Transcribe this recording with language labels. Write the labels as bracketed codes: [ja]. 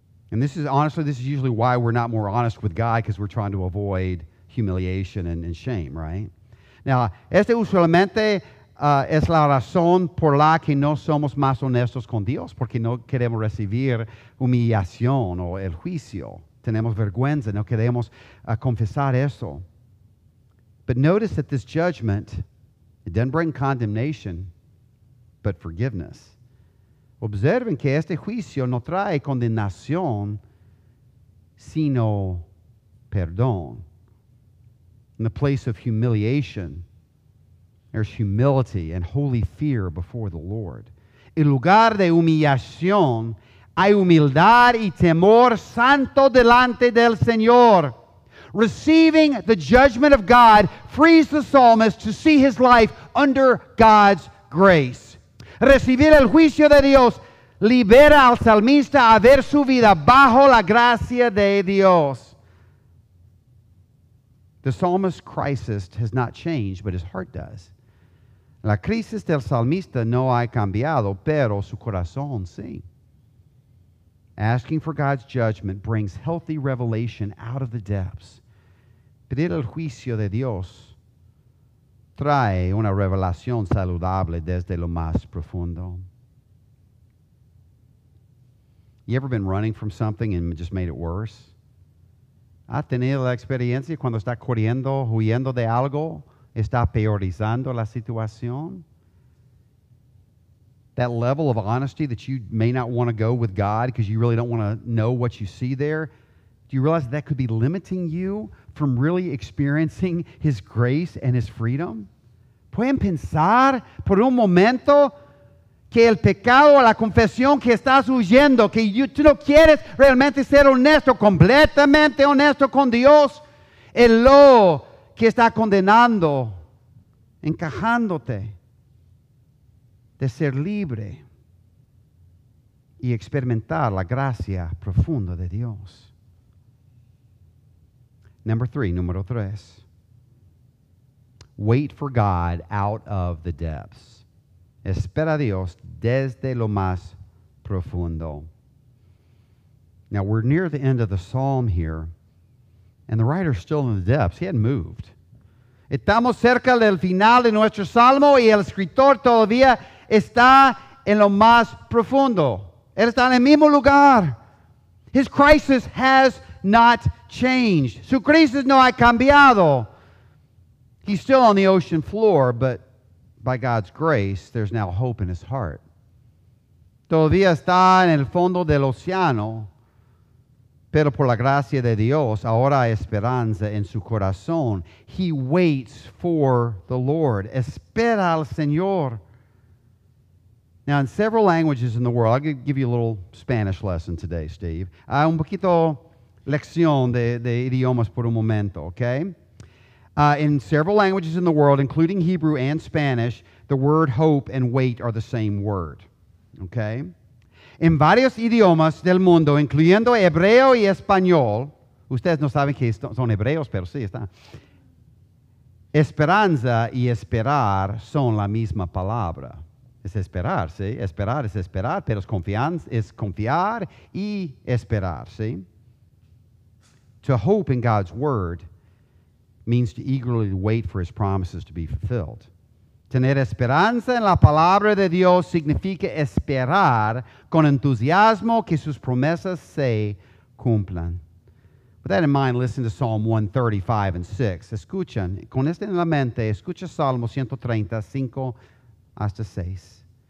[en] And this is, honestly, this is usually why we're not more honest with God, because we're trying to avoid humiliation and shame, right? [es] Now, este usualmente es la razón por la que no somos más honestos con Dios, porque no queremos recibir humillación o el juicio. Tenemos vergüenza, no queremos confesar eso. [en] But notice that this judgment, it doesn't bring condemnation, but forgiveness. [es] Observen que este juicio no trae condenación, sino perdón. [en] In the place of humiliation, there's humility and holy fear before the Lord. [es] En lugar de humillación, hay humildad y temor santo delante del Señor. [en] Receiving the judgment of God frees the psalmist to see his life under God's grace. [es] Recibir el juicio de Dios libera al salmista a ver su vida bajo la gracia de Dios. [en] The psalmist's crisis has not changed, but his heart does. [es] La crisis del salmista no ha cambiado, pero su corazón sí. [en] Asking for God's judgment brings healthy revelation out of the depths. [es] Pedir el juicio de Dios trae una revelación saludable desde lo más profundo. [en] You ever been running from something and just made it worse? [es] ¿Ha tenido la experiencia cuando está corriendo, huyendo de algo, está peorizando la situación? [en] That level of honesty that you may not want to go with God because you really don't want to know what you see there, do you realize that could be limiting you from really experiencing His grace and His freedom? [es] ¿Pueden pensar por un momento que el pecado o la confesión que estás huyendo, que tú no quieres realmente ser honesto, completamente honesto con Dios, el lobo que está condenando, encajándote de ser libre y experimentar la gracia profunda de Dios? Número tres. [en] Wait for God out of the depths. [es] Espera a Dios desde lo más profundo. [en] Now, we're near the end of the psalm here, and the writer's still in the depths. He hadn't moved. [es] Estamos cerca del final de nuestro salmo, y el escritor todavía está en lo más profundo. Él está en el mismo lugar. [en] His crisis has not changed. [es] Su crisis no ha cambiado. [en] He's still on the ocean floor, but by God's grace, there's now hope in his heart. [es] Todavía está en el fondo del océano, pero por la gracia de Dios, ahora hay esperanza en su corazón. [en] He waits for the Lord. [es] Espera al Señor. [en] Now, in several languages in the world, I'll give you a little Spanish lesson today, Steve. [es] Un poquito lección de idiomas por un momento, okay? [en] In several languages in the world, including Hebrew and Spanish, the word hope and wait are the same word, okay? [es] En varios idiomas del mundo, incluyendo hebreo y español, ustedes no saben que son hebreos, pero sí están. Esperanza y esperar son la misma palabra. Es esperar, ¿sí? Esperar es esperar, pero es confiar y esperar, ¿sí? [en] To hope in God's word means to eagerly wait for his promises to be fulfilled. [es] Tener esperanza en la palabra de Dios significa esperar con entusiasmo que sus promesas se cumplan. [en] With that in mind, listen to Psalm 135 and 6. [es] Escuchen, con esto en la mente, escucha Salmo 135 hasta 6.